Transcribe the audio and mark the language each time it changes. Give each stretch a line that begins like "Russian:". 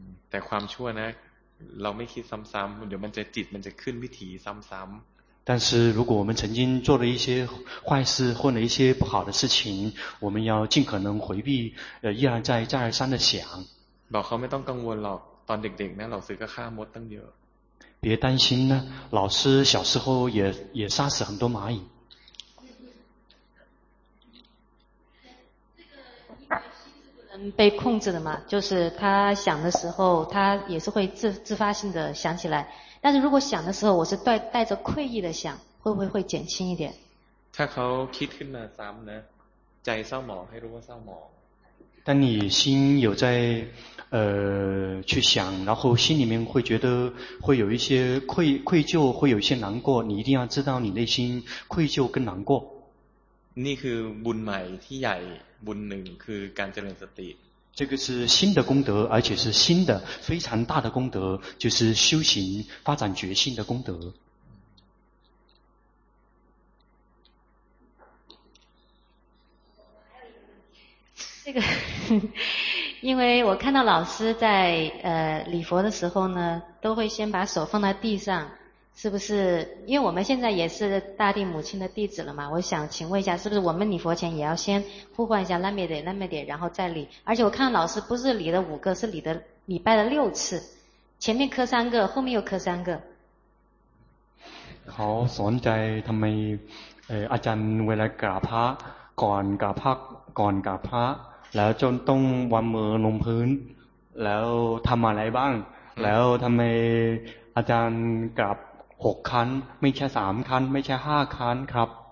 Chinese: 但
Thai: ความชั่วนะเราไม่คิดซ้ำๆเดี๋ยวมันจะจิตมันจะขึ้นวิถีซ้ำ
Chinese: ๆ但是如果我们曾经做了一些坏事或者一些不好的事情我们要尽可能回避一而再再而三的想
Thai: บอกเขาไม่ต้องกังวลหรอกตอนเด็กๆนะ
Chinese: 老师
Thai: ก็ฆ่ามดตั้งเยอะ
Chinese: 别担心呢老师小时候也杀死很多蚂蚁被控制的嘛就是他想的时候他也是会 自发性的想起来但是如果想的时候我是 带着愧意的想会减轻一点他可以
Thai: คิดขึ้นมาซ้ำนะใจเศร้าหมองให้รู้ว่าเศร้าหมอง
Chinese: 但你心有在去想然后心里面会觉得会有一些 愧疚会有一些难过你一定要知道你内心愧疚跟难过
Thai: นี่คือบุญใหม่ที่ใหญ่บุญหนึ่งคือการเจริญสติ
Chinese: 这个是新的功德而且是新的非常大的功德就是修行发展觉性的功德这个因为我看到老师在礼佛的时候呢都会先把手放在地上是不是因为我们现在也是大地母亲的弟子了嘛我想请问一下是不是我们礼佛前也要先呼唤一下那么点那么点然后再礼而且我看老师不是礼的五个是礼的礼拜的六次前面磕三个后面又磕三个好
Thai: สนใจทำไมอาจารย์เวลากราบพระก่อนกราบพระก่อนกราบพระแล้วจนต้องวางมือลงพื้นแล้วทำอะไรบ้างแล้วทำไมอาจารย์กราบ6ครั้งไม่ใช่3ครั้งไม่ใช่5ครั้งครับ